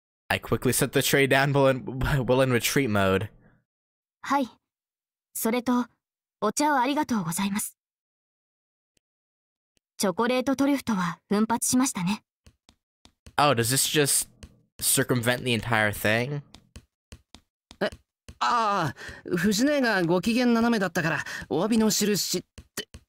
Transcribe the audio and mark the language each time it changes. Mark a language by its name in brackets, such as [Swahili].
[English] I quickly set the tray down while in retreat mode. Hi. [Japanese] それとお茶をありがとうございます。チョコレートトリュフとは奮発しましたね。 [English] Oh, does this just circumvent the entire thing? [Japanese] ああ、藤根がご機嫌斜めだったから、お詫びの印って。